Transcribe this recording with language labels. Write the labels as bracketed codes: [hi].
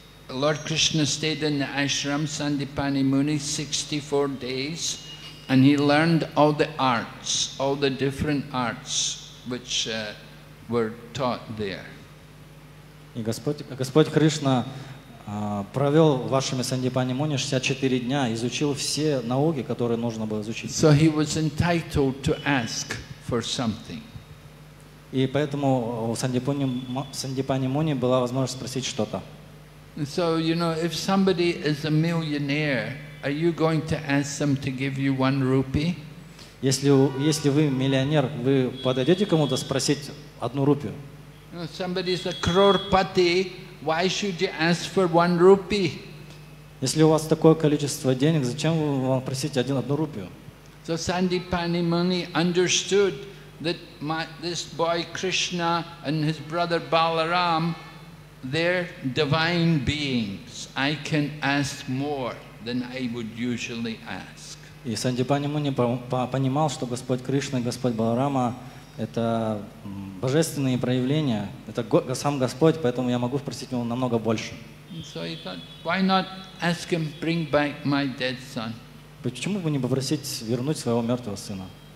[en] Lord Krishna stayed in the ashram Sandipani Muni 64 days and he learned all the arts, all the different arts which were taught there. [ru] И Господь Кришна провел вашими Сандипани Муни 64 дня, изучил все науки, которые нужно было изучить. [en] So he was entitled to ask for something. [ru] И поэтому у Сандипани Муни была возможность спросить что-то. [en] So, you know, if somebody is a millionaire, are you going to ask them to give you 1 rupee? [ru] Если вы миллионер, вы подойдете кому-то спросить 1 рупию? [en] No, somebody's a crorepati. Why should you ask for 1 rupee? [ru] Если у вас такое количество денег, зачем вам просить 1 рупию? [en] So Sandipani Muni understood that this boy Krishna and his brother Balaram, they're divine beings. I can ask more than I would usually ask. [ru] И Сандипани Муни понимал, что Господь Кришна и Господь Баларама это божественные проявления, это сам Господь, поэтому я могу спросить его намного больше. [en] So he thought, why not ask him bring back my dead son? [ru] Почему бы не попросить вернуть своего мертвого сына?